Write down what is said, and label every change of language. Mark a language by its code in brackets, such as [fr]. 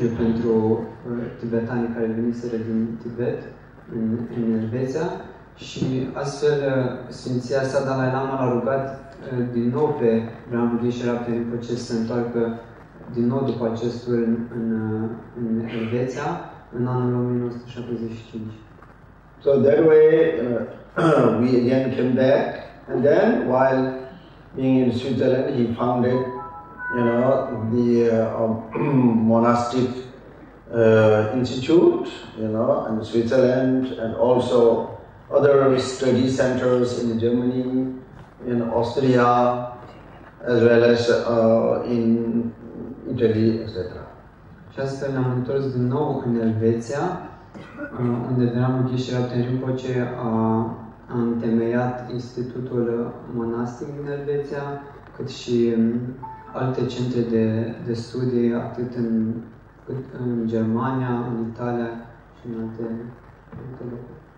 [ro] refugiu pentru tibetanii care veniseră din Tibet, în Elveția, și astfel Sfinția sa Dalai Lama l-a rugat din nou pe Rinpoche Rinpoche să se întoarcă din nou după acest tur în Elveția, în anul 1975. [en] So that way we again came back, and then while being in Switzerland he founded, you know, the monastic institute, you know, in Switzerland, and also other study centers in Germany, in Austria, as well as in Italy, etc. [ro] Și astfel ne-am întors din nou în Elveția, unde Rinpoche Rinpoche a întemeiat institutul monastic din Elveția, cât și alte centre de studii, atât în Germania, în Italia și în alte locuri.